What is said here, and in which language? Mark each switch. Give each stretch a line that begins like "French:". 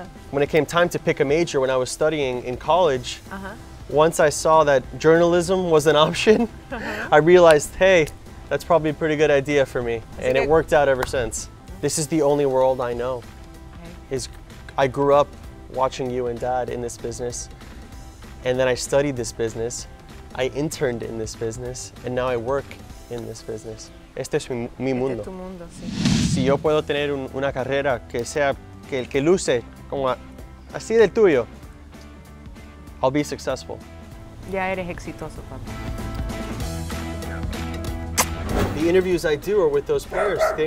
English: When it came time to pick a major when I was studying in college, once I saw that journalism was an option, I realized, hey, that's probably a pretty good idea for me. And it worked out ever since. This is the only world I know. I grew up watching you and Dad in this business. And then I studied this business. I interned in this business. And now I work in this business.
Spanish: Este es mi mundo. Este es tu mundo, sí. Si yo puedo tener una carrera que sea, que luce como así del tuyo,
English: I'll be successful.
Spanish: Ya eres exitoso, papá.
English: The interviews I do are with those pairs.